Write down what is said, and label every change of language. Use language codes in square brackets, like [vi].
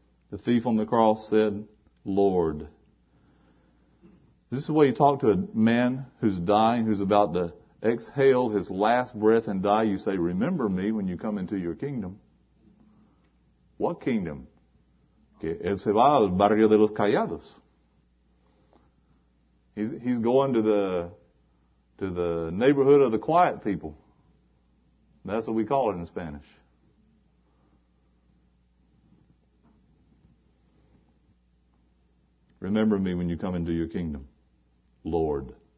[en] The thief on the cross said, Lord. This is the way you talk to a man who's dying, who's about to exhale his last breath and die. You say, remember me when you come into your kingdom. What kingdom? [es] Él se va al barrio de los callados. [en] He's going to the neighborhood of the quiet people. That's what we call it in Spanish. Remember me when you come into your kingdom, Lord.